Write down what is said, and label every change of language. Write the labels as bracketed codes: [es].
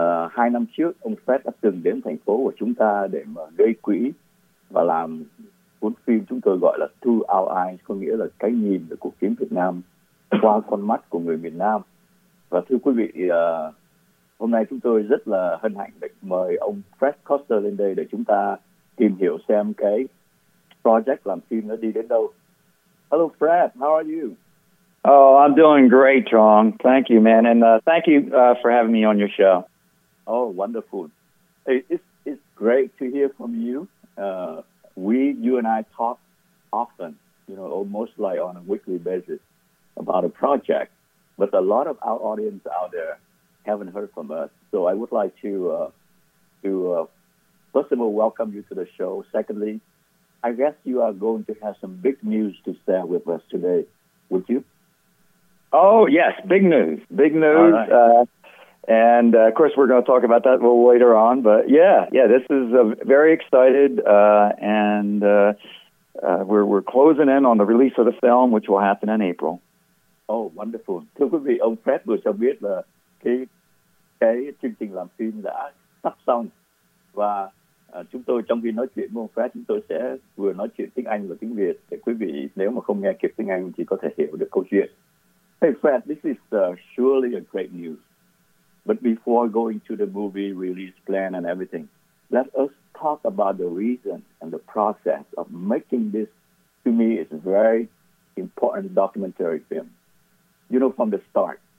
[vi] Hai năm trước, ông Fred đã từng đến thành phố của chúng ta để mà gây quỹ và làm cuốn phim chúng tôi gọi là Two Our Eyes, có nghĩa là cái nhìn về cuộc chiến Việt Nam qua con mắt của người miền Nam. Và thưa quý vị, hôm nay chúng tôi rất là hân hạnh để mời ông Fred Koster lên đây để chúng ta tìm hiểu xem cái project làm phim nó đi đến đâu. [en] Hello Fred, how are you? Oh, I'm doing great, John. Thank you, man. And thank you for having me on your show. Oh, wonderful. It's great to hear from you. You and I talk often, you know, almost like on a weekly basis about a project. But a lot of our audience out there haven't heard from us. So I would like first of all, welcome you to the show. Secondly, I guess you are going to have some big news to share with us today, would you? Oh, yes, big news. Big news. All right. And of course, we're going to talk about that a little later on. But yeah, this is very excited, and we're closing in on the release of the film, which will happen in April. Oh, wonderful! [vi] Thưa quý vị, ông Fred vừa cho biết là cái chương trình làm phim đã sắp xong và chúng tôi trong khi nói chuyện với ông Fred, chúng tôi sẽ vừa nói chuyện tiếng Anh và tiếng Việt để quý vị nếu mà không nghe kịp tiếng Anh thì có thể hiểu được câu chuyện. [en] Hey Fred, this is surely a great news. But before going to the movie release plan and everything, let us talk about the reason and the process of making this, to me, is a very important documentary film. You know, from the start.